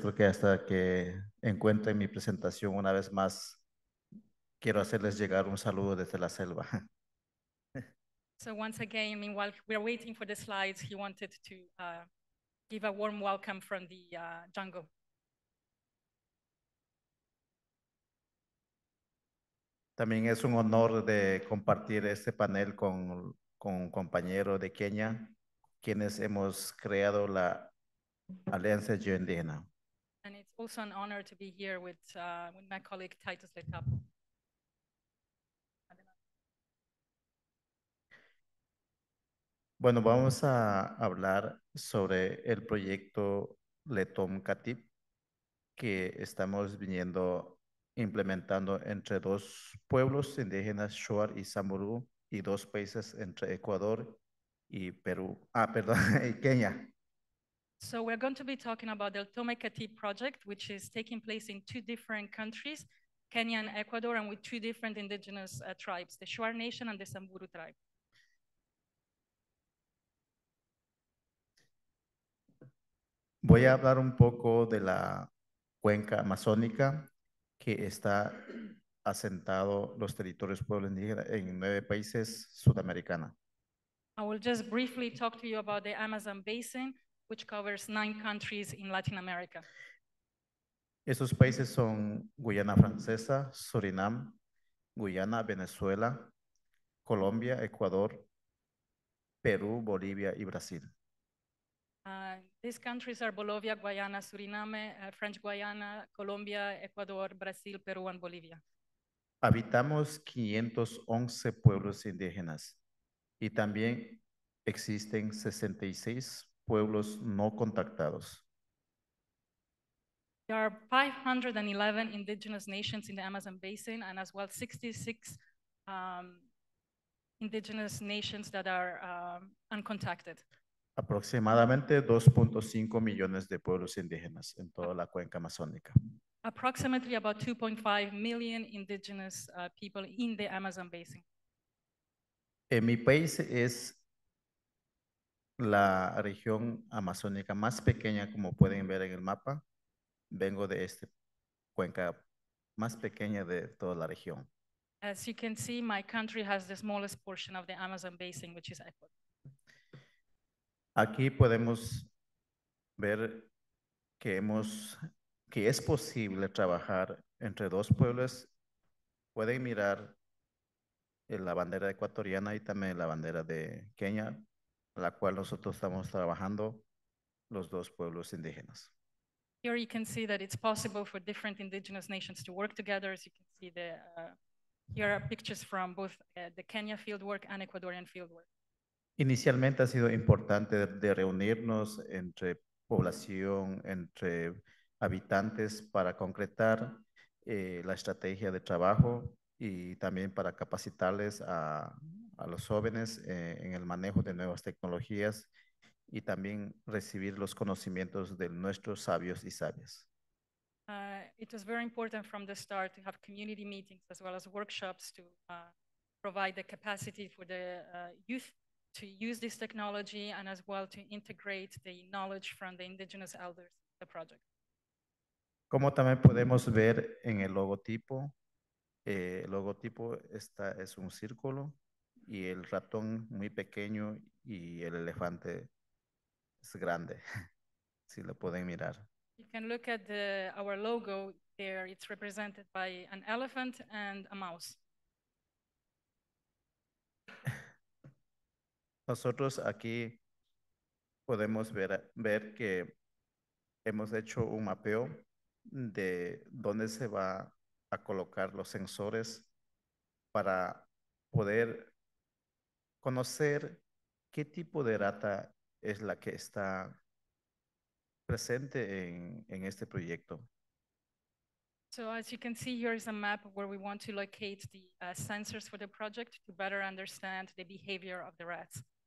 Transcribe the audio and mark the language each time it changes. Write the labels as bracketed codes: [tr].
[es] Creo que hasta que encuentre mi presentación una vez más, quiero hacerles llegar un saludo desde la selva. [en] So once again, meanwhile, we are waiting for the slides. He wanted to give a warm welcome from the jungle. [es] También es un honor de compartir este panel con un compañero de Kenia, quienes hemos creado la Alianza Indígena. [en] And it's also an honor to be here with my colleague Titus Letapo. [es] Bueno, vamos a hablar sobre el proyecto Letom Katip que estamos viniendo implementando entre dos pueblos indígenas, Shuar y Samburu, y dos países entre Ecuador y Perú. Ah, perdón, y Kenia. [en] So we're going to be talking about the Tome Katip project, which is taking place in two different countries, Kenya and Ecuador, and with two different indigenous tribes, the Shuar Nation and the Samburu tribe. [es] Voy a hablar un poco de la cuenca amazónica que está asentado los territorios pueblos indígenas en nueve países sudamericana. [en] I will just briefly talk to you about the Amazon basin, which covers nine countries in Latin America. [es] Esos países son Guyana Francesa, Surinam, Guyana, Venezuela, Colombia, Ecuador, Peru, Bolivia, y Brasil. [en] These countries are Bolivia, Guyana, Suriname, French Guiana, Colombia, Ecuador, Brasil, Peru, and Bolivia. [es] Habitamos 511 pueblos indígenas, y también existen 66 pueblos no contactados. [en] There are 511 indigenous nations in the Amazon basin, and as well 66 indigenous nations that are uncontacted. [es] Aproximadamente 2.5 millones de pueblos indígenas en toda la cuenca amazónica. [en] Approximately about 2.5 million indigenous people in the Amazon basin. [es] En mi país es la región amazónica más pequeña, como pueden ver en el mapa. Vengo de esta cuenca más pequeña de toda la región. [en] As you can see, my country has the smallest portion of the Amazon basin, which is Ecuador. [es] Aquí podemos ver que es posible trabajar entre dos pueblos. Pueden mirar la bandera ecuatoriana y también la bandera de Kenia, la cual nosotros estamos trabajando, los dos pueblos indígenas. [en] Here you can see that it's possible for different indigenous nations to work together. As you can see, here are pictures from both the Kenya fieldwork and Ecuadorian fieldwork. [es] Inicialmente ha sido importante de reunirnos entre población, entre habitantes, para concretar la estrategia de trabajo y también para capacitarles a los jóvenes en el manejo de nuevas tecnologías y también recibir los conocimientos de nuestros sabios y sabias. [en] It was very important from the start to have community meetings as well as workshops to provide the capacity for the youth to use this technology and as well to integrate the knowledge from the indigenous elders in the project. [es] Como también podemos ver en el logotipo está es un círculo y el ratón muy pequeño y el elefante es grande, si lo pueden mirar. [en] You can look at our logo there. It's represented by an elephant and a mouse. [es] Nosotros aquí podemos ver que hemos hecho un mapeo de dónde se va a colocar los sensores para poder conocer qué tipo de rata es la que está presente en este proyecto. [en] So as you can see, here is a map where we want to locate the sensors for the project to better understand the behavior of the rats.